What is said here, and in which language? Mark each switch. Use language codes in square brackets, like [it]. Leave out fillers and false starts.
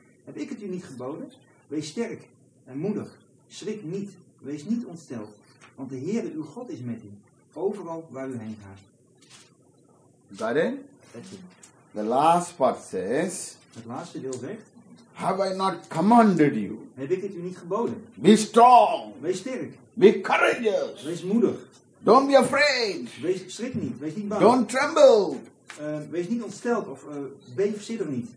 [nl] Heb ik het u niet geboden? Wees sterk en moedig. Schrik niet. Wees niet ontsteld. Want de Heere uw God is met u, overal waar u heen gaat. [en] Daarin? The last part says. [nl] Het laatste deel zegt. [en] Have I not commanded you? [nl] Heb ik het u niet geboden? [en] Be strong. [nl] Wees sterk. [en] Be courageous. [nl] Wees moedig. [en] Don't be afraid. [nl] Wees schrik niet. Wees niet bang. [en] Don't tremble. [nl] Wees niet ontsteld of beef zit er niet.